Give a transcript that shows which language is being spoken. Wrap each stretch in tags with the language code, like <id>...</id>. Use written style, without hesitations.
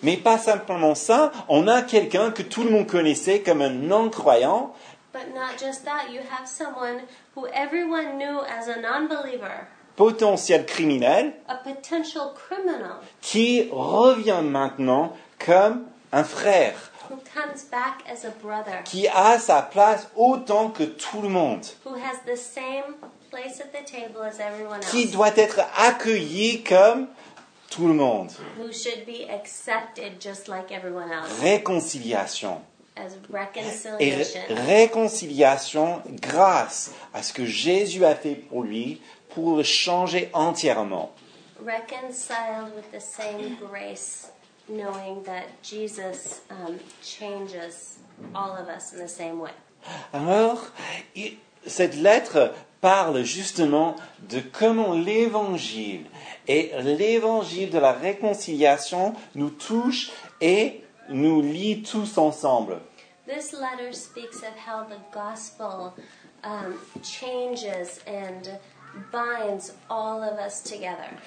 <fr>Mais pas simplement ça, on a quelqu'un que tout le monde connaissait comme un non-croyant.</fr> <en>But not just that, you have someone who everyone knew as a non-believer.</en> <fr>Potentiel criminel,</fr> <en>a potential criminal,</en> <fr>qui revient maintenant comme un frère,</fr> <en>who comes back as a brother,</en> <fr>qui a sa place autant que tout le monde,</fr> <en>who has the same place at the table as everyone else,</en> <fr>qui doit être accueilli comme tout le monde,</fr> <en>who should be accepted just like everyone else.</en> <fr>Réconciliation.</fr> <en>As reconciliation.</en> <fr>Et réconciliation grâce à ce que Jésus a fait pour lui, pour le changer entièrement.</fr> <en>Reconciled with the same grace, knowing that Jesus changes all of us in the same way.</en> <fr>Alors, cette lettre parle justement de comment l'évangile et l'évangile de la réconciliation nous touche et nous lie tous ensemble.</fr> <en>This letter speaks of how the gospel changes and binds all of us together.</en>